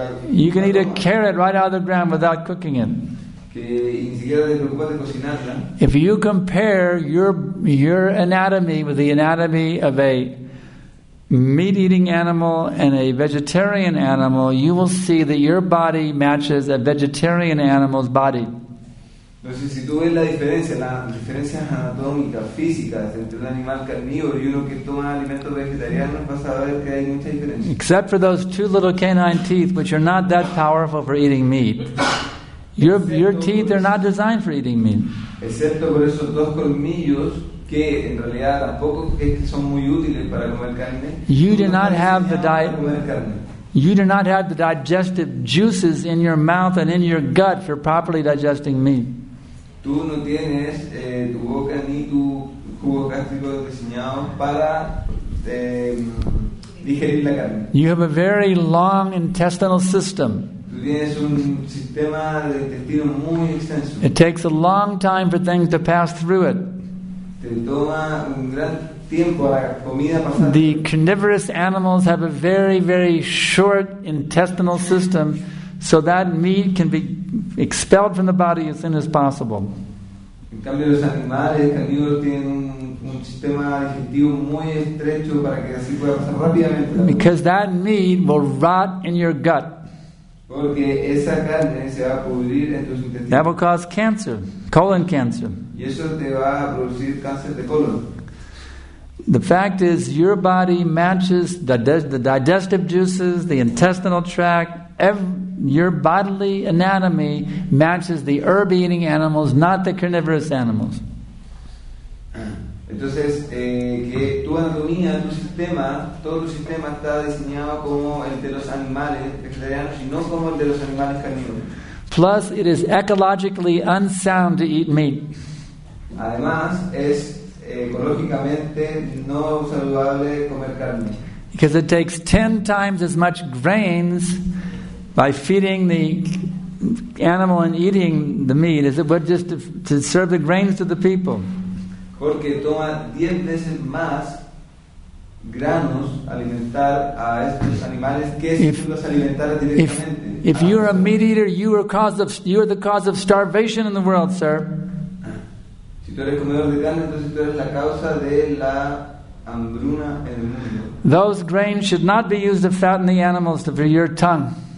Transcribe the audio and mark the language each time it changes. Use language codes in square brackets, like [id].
[en] You can eat a carrot right out of the ground without cooking it. If you compare your anatomy with the anatomy of a meat-eating animal and a vegetarian animal, you will see that your body matches a vegetarian animal's body. [es] Entonces, si tú ves las diferencias anatómicas, físicas, entre un animal carnívoro y uno que toma alimentos vegetarianos, vas a ver que hay mucha diferencia. [en] Except for those two little canine teeth, which are not that powerful for eating meat. Your teeth are not designed for eating meat. [es] Excepto por esos dos colmillos, que en realidad tampoco es que son muy útiles para comer carne. [en] You do not have the digestive juices in your mouth and in your gut for properly digesting meat. [es] Tú no tienes tu boca ni tu jugo gástrico diseñado para digerir la carne. [en] You have a very long intestinal system. [es] Tú tienes un sistema de intestino muy extenso. [en] It takes a long time for things to pass through it. [es] Te toma un gran tiempo la comida pasar. [en] The carnivorous animals have a very, very short intestinal system. So that meat can be expelled from the body as soon as possible. [es] En cambio, los animales carnívoros tienen un sistema digestivo muy estrecho para que así pueda pasar rápidamente. [en] Because that meat will rot in your gut. [es] Porque esa carne se va a pudrir en tus intestinos. [en] That will cause cancer, colon cancer. [es] Y eso te va a producir cáncer de colon. [en] The fact is, your body matches the digestive juices, the intestinal tract. Your bodily anatomy matches the herb-eating animals, not the carnivorous animals. [es] Entonces, que tu anatomía, tu sistema, todo tu sistema está diseñado como el de los animales vegetarianos y no como el de los animales carnívoros. [en] Plus, it is ecologically unsound to eat meat. [es] Además, es ecológicamente no saludable comer carne. [en] Because it takes 10 times as much grains by feeding the animal and eating the meat as it would just to serve the grains to the people. [es] Porque toma 10 veces más granos alimentar a estos animales que si los alimentara directamente. [en] If you're a meat eater, you are the cause of starvation in the world, sir. [es] Si tú eres comedor de carne, entonces tú eres la causa de la hambruna en el mundo. [en] Those grains should not be used to fatten the animals for your tongue.